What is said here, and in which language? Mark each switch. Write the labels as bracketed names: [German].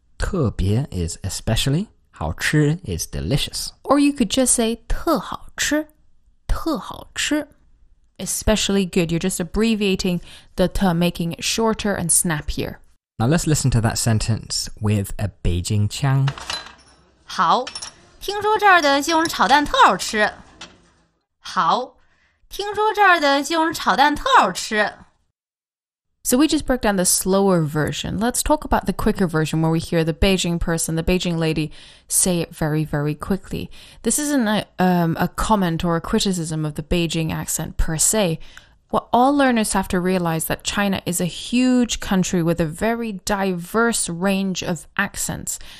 [English] 特别 is especially, 好吃 is delicious. Or you could just say [Chinese] 特好吃,特好吃。 [English] Especially good. You're just abbreviating the te, making it shorter and snappier. Now let's listen to that sentence with a Beijing 腔. [Chinese] 好，听说这儿的西红柿炒蛋特好吃。好，听说这儿的西红柿炒蛋特好吃。 [English] So we just broke down the slower version. Let's talk about the quicker version where we hear the Beijing person, the Beijing lady, say it very, very quickly. This isn't a comment or a criticism of the Beijing accent per se. What all learners have to realize that China is a huge country with a very diverse range of accents.